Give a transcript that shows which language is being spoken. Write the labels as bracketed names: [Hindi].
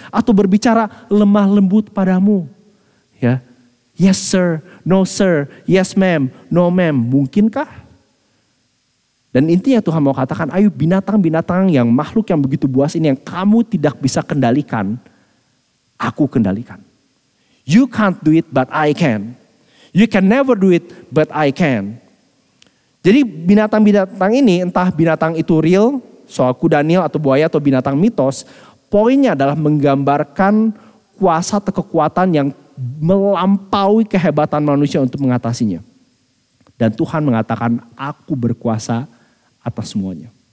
[Indonesian] Atau berbicara lemah lembut padamu? Ya. [English] Yes sir, no sir, yes ma'am, no ma'am, mungkinkah? [Indonesian] Dan intinya Tuhan mau katakan, ayo binatang-binatang yang makhluk yang begitu buas ini yang kamu tidak bisa kendalikan, aku kendalikan. [English] You can't do it, but I can. You can never do it, but I can. [Indonesian] Jadi binatang-binatang ini, entah binatang itu real, soal kuda Nil atau buaya atau binatang mitos, poinnya adalah menggambarkan kuasa atau kekuatan yang melampaui kehebatan manusia untuk mengatasinya. Dan Tuhan mengatakan, aku berkuasa atas semuanya.